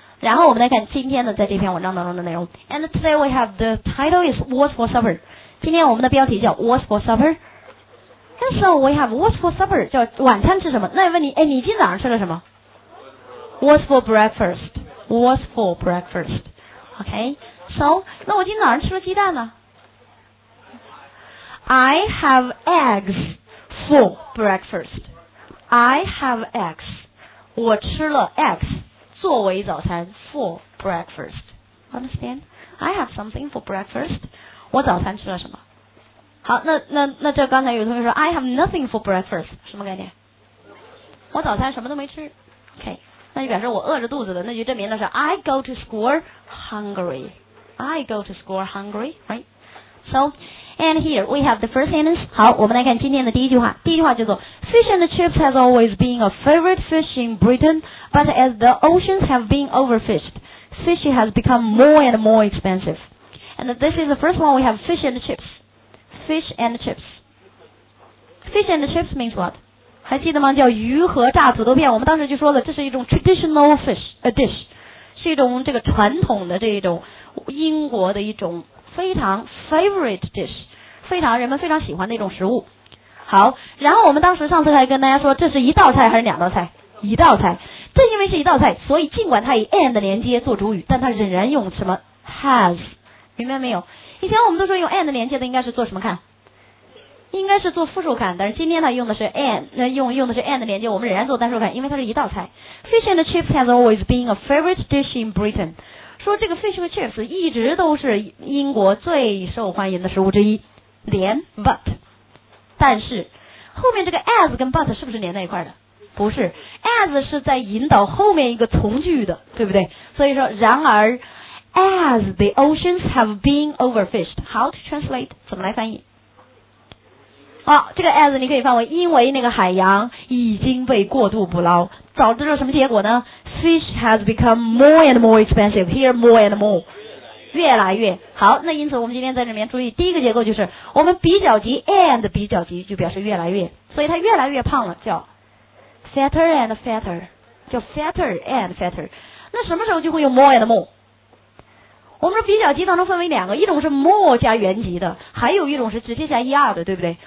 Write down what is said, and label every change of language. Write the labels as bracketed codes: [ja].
[zh] 然后我们来看今天的在这篇文章当中的内容。 [en] And today we have the title is What's for Supper. [zh] 今天我们的标题叫 [en] What's for Supper? And so we have What's for Supper, [zh] 叫晚餐吃什么？那问你，哎，你今早上吃了什么？ [en] What's for breakfast? What's for breakfast? Okay, so, [zh] 那我今早上吃了鸡蛋呢？ [en] I have eggs for breakfast. [zh] 我吃了 eggs 作为早餐 [en] for breakfast. Understand? I have something for breakfast. [zh] 我早餐吃了什么？好，那这刚才有同学说 [en] I have nothing for breakfast. [zh] 什么概念？我早餐什么都没吃。 OK, 那就表示我饿着肚子的，那就证明的是 [en] I go to school hungry, right? So,And here we have the first sentence. [zh] 好，我们来看今天的第一句话。第一句话叫做 [en] Fish and chips has always been a favorite fish in Britain, but as the oceans have been overfished, fish has become more and more expensive. And this is the first one. We have fish and chips. Fish and chips. Fish and chips means what? [zh] 还记得吗？叫鱼和炸土豆片。我们当时就说了，这是一种 [en] traditional fish, a dish. [zh] 是一种这个传统的这一种英国的一种非常 [en] favorite dish, [zh] 非常人们非常喜欢的一种食物。好，然后我们当时上次还跟大家说，这是一道菜还是两道菜？一道菜。正因为是一道菜，所以尽管它以 and 连接做主语，但它仍然用什么 has, 明白没有？以前我们都说用 and 连接的应该是做什么看？应该是做复数看，但是今天它用的是 and, 用的是 and 连接，我们仍然做单数看，因为它是一道菜。 Fish and chips has always been a favorite dish in Britain. 说这个 fish and chips 一直都是英国最受欢迎的食物之一，连 but, 但是后面这个 as 跟 but 是不是连在一块的？不是， as 是在引导后面一个从句的，对不对？所以说然而 [en] as the oceans have been overfished, how to translate, [zh] 怎么来翻译？啊，这个 as 你可以翻为因为那个海洋已经被过度捕捞，导致了什么结果呢？ [en] Fish has become more and more expensive. Here, more and more. [zh] 越来越好。那因此我们今天在这边注意第一个结构，就是我们比较级 and 比较级就表示越来越，所以它越来越胖了，叫 [en] fatter and fatter, [zh] 叫 fatter and fatter。那什么时候就会用 more and more? 我们说比较级当中分为两个，一种是 more 加原级的，还有一种是直接加 er 的，对不对？